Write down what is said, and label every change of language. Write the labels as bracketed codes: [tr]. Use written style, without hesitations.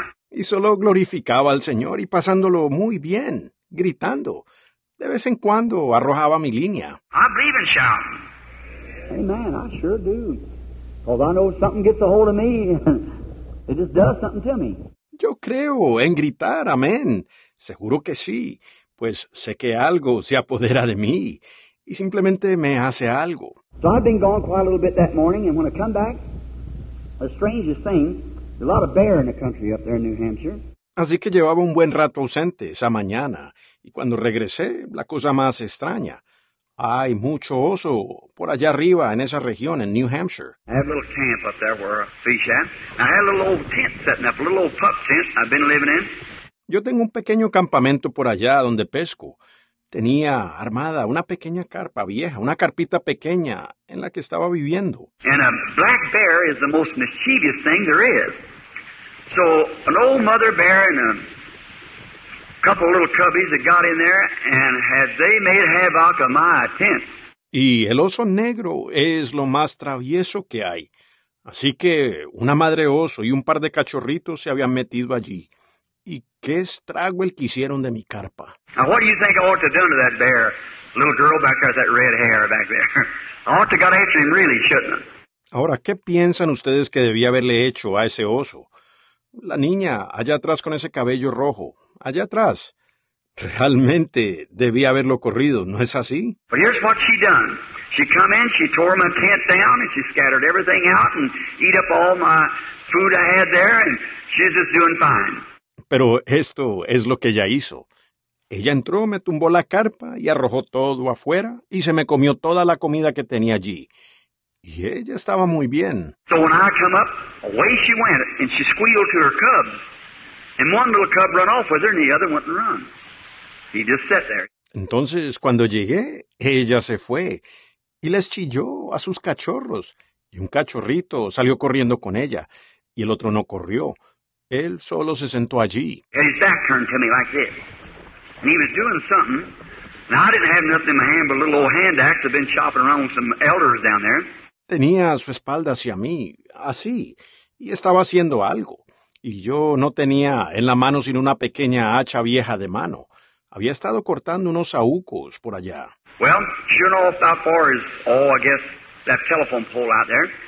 [es] Y solo glorificaba al Señor y pasándolo muy bien, gritando. De vez en cuando arrojaba mi línea. [en] I believe in shouting. Amen, I sure do. Because I know something gets a hold of me. It just does something to me. [es] Yo creo en gritar, amén. Seguro que sí. Pues sé que algo se apodera de mí. Y simplemente me hace algo. [en] So I've been gone quite a little bit that morning, and when I come back, the strangest thing, there's a lot of bear in the country up there in New Hampshire. [es] Así que llevaba un buen rato ausente esa mañana, y cuando regresé, la cosa más extraña. Hay mucho oso por allá arriba en esa región, en New Hampshire. [en] I have a little camp up there where a fish at. I have a little old tent setting up, a little old pup tent I've been living in. [es] Yo tengo un pequeño campamento por allá donde pesco. Tenía armada una pequeña carpa vieja, una carpita pequeña en la que estaba viviendo. [en] And a black bear is the most mischievous thing there is. So an old mother bear and a couple little cubbies that got in there and had they made havoc of my tent. [es] Y el oso negro es lo más travieso que hay. Así que una madre oso y un par de cachorritos se habían metido allí. ¿Y qué estrago el que hicieron de mi carpa? [en] Now, what do you think I ought to have done to that bear, little girl back there with that red hair back there? I ought to have got after him, really, shouldn't I? [es] Ahora, ¿qué piensan ustedes que debía haberle hecho a ese oso? La niña, allá atrás con ese cabello rojo, allá atrás. Realmente, debía haberlo corrido, ¿no es así? [en] But here's what she done. She come in, she tore my tent down, and she scattered everything out and eat up all my food I had there, and she's just doing fine. [es] Pero esto es lo que ella hizo. Ella entró, me tumbó la carpa y arrojó todo afuera y se me comió toda la comida que tenía allí. Y ella estaba muy bien. [en] So when I come up, away she went and she squealed to her cubs. And one little cub run off with her and the other went and run. He just sat there. [es] Entonces, cuando llegué, ella se fue y les chilló a sus cachorros. Y un cachorrito salió corriendo con ella y el otro no corrió. Él solo se sentó allí. [en] And his back turned to me like this. And he was doing something. Now I didn't have nothing in my hand but a little old hand axe I've been chopping around with some elders down there. [es] Tenía su espalda hacia mí, así, y estaba haciendo algo. Y yo no tenía en la mano sino una pequeña hacha vieja de mano. Había estado cortando unos saúcos por allá. [en] Well, sure enough, how far is, oh, I guess, that telephone pole out there.